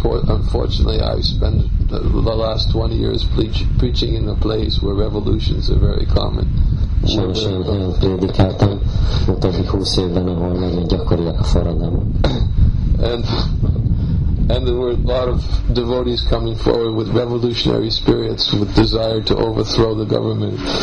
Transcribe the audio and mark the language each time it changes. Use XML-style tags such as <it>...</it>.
<en>Unfortunately, I've spent the last 20 years preaching in a place where revolutions are very common.</en> <hu>Sajnos én helyen prédikáltam, utóbbi 20 évben, ahol nagyon gyakoriak a forradalmak.</hu> <en>And there were a lot of devotees coming forward with revolutionary spirits, with desire to overthrow the government.</en>